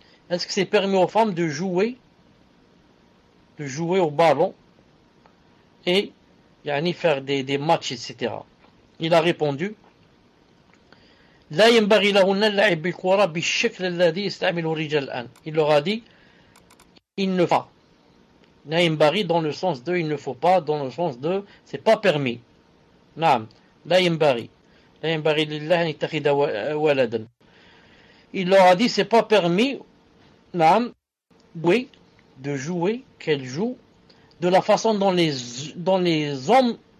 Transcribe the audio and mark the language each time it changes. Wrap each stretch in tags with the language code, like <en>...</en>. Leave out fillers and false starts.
<fr>Est-ce que c'est permis aux femmes de jouer au ballon, et yani, faire des matchs, etc. Il a répondu.</fr> <ar>لا ينبغي لهن اللعب بالكرة بالشكل الذي يستعمله الرجال الآن.</ar> <fr>Il leur a dit, il ne faut pas.</fr> <ar>لا ينبغي</ar> <fr>dans le sens de, il ne faut pas, dans le sens de, c'est pas permis.</fr> <ar>نعم. لا ينبغي. لا ينبغي لله أن يتخذ ولدا.</ar> <fr>Il leur a dit, c'est pas permis.</fr> <ar>نعم.</ar> <fr>De jouer, qu'elle joue, de la façon dont les hommes</fr>